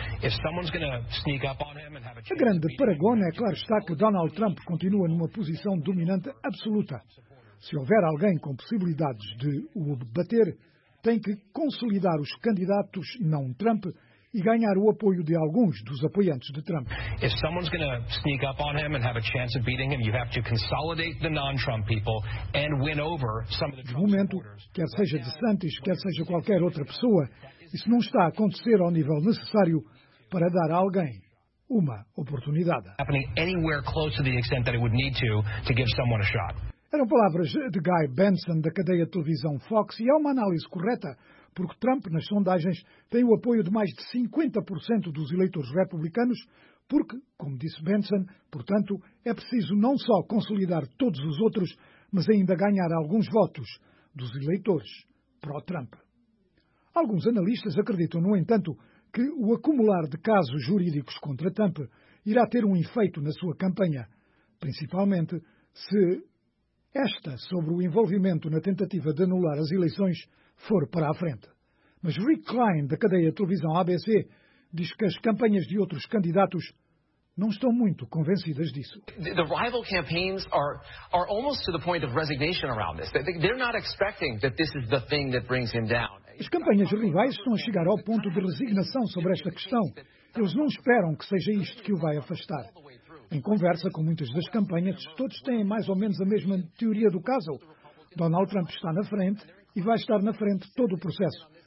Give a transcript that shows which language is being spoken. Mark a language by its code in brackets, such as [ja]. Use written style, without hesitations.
[en] If someone's going to sneak up on him and have a chance. [pt] A grande paragona é, claro está, que Donald Trump continua numa posição dominante absoluta. Se houver alguém com possibilidades de o bater, tem que consolidar os candidatos não Trump e ganhar o apoio de alguns dos apoiantes de Trump. [en] If someone's going to sneak up on him and have a chance of beating him, you have to consolidate the non-Trump people and win over some of the Trump supporters. [pt] Quer seja DeSantis, quer seja qualquer outra pessoa, isso não está a acontecer ao nível necessário para dar a alguém uma oportunidade. [en] Happening anywhere close to the extent that it would need to give someone a shot. [pt] Eram palavras de Guy Benson da cadeia de televisão Fox e é uma análise correta, porque Trump, nas sondagens, tem o apoio de mais de 50% dos eleitores republicanos, porque, como disse Benson, portanto, é preciso não só consolidar todos os outros, mas ainda ganhar alguns votos dos eleitores pró-Trump. Alguns analistas acreditam, no entanto, que o acumular de casos jurídicos contra Trump irá ter um efeito na sua campanha, principalmente se esta, sobre o envolvimento na tentativa de anular as eleições, for para a frente. Mas Rick Klein, da cadeia de televisão ABC, diz que as campanhas de outros candidatos não estão muito convencidas disso. [en] The rival campaigns are almost to the point of resignation around this. They're not expecting that this is the thing that brings him down. [pt] As campanhas rivais estão a chegar ao ponto de resignação sobre esta questão. Eles não esperam que seja isto que o vai afastar. Em conversa com muitas das campanhas, todos têm mais ou menos a mesma teoria do caso. Donald Trump está na frente e vai estar na frente todo o processo.